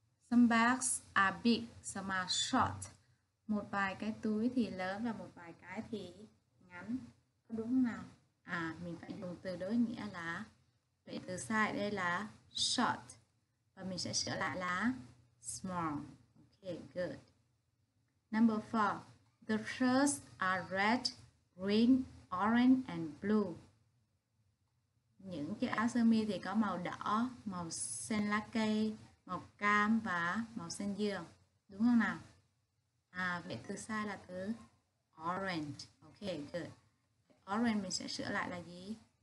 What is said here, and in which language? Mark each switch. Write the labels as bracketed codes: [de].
[en] Some bags are big, some are short. [vi] Một vài cái túi thì lớn và một vài cái thì ngắn. Có đúng không nào? Mình phải dùng từ đối nghĩa là, vậy từ sai đây là short. Và mình sẽ sửa lại là small. [en] Okay, good. Number 4. The shirts are red, green, orange and blue. [vi] Những cái áo sơ mi thì có màu đỏ, màu xanh lá cây, màu cam và màu xanh dương. Đúng không nào? Vậy từ sai là từ orange. [en] Ok, good. [vi] Orange mình sẽ sửa lại là gì?